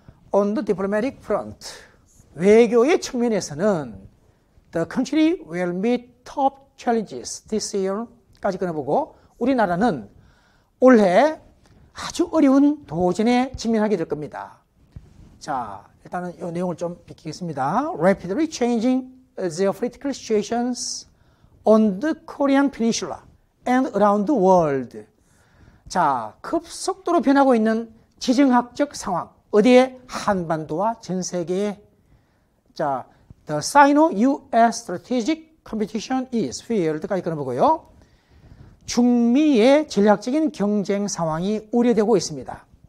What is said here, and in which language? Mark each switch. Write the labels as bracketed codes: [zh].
[en] On the diplomatic front, [ko] 외교의 측면에서는 [en] the country will meet top challenges this year [ko] 까지 끊어보고 우리나라는 올해 아주 어려운 도전에 직면하게 될 겁니다. 자, 일단은 이 내용을 좀 비키겠습니다. [en] Rapidly changing geopolitical situations on the Korean Peninsula and around the world. [ko] 자, 급속도로 변하고 있는 지정학적 상황. 어디에? 한반도와 전 세계에. 자, [en] the Sino-US strategic competition is feared [ko] 까지 끊어보고요. 중미의 전략적인 경쟁 상황이 우려되고 있습니다.